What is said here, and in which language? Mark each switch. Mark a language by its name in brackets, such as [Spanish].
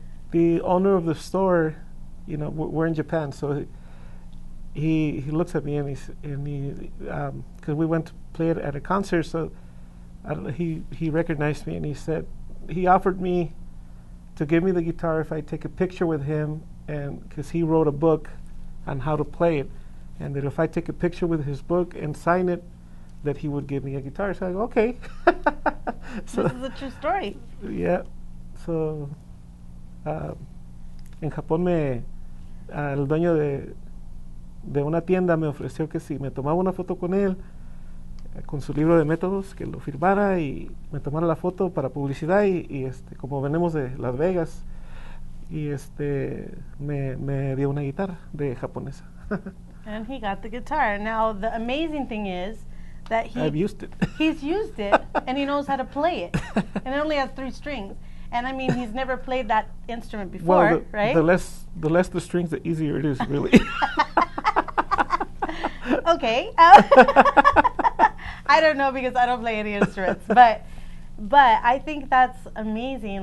[English] The owner of the store, you know, we're in Japan, so he looks at me and because we went to play it at a concert, so he recognized me and he said, he offered me to give me the guitar if I take a picture with him, and because he wrote a book on how to play it, and that if I take a picture with his book and sign it, that he would give me a guitar. So I go, okay. So this is a true story. Yeah. [Spanish] So en Japón el dueño de una tienda me ofreció que si me tomaba una foto con él, con su libro de métodos, que lo firmara y me tomara la foto para publicidad, y como venimos de Las Vegas, me dio una guitarra de japonesa. [English] And he got the guitar. Now, the amazing thing is that I've used it. He's used it, and he knows how to play it. And it only has three strings. And, I mean, he's never played that instrument before, well, right? The less the strings, the easier it is, really. Okay. I don't know, because I don't play any instruments, but I think that's amazing.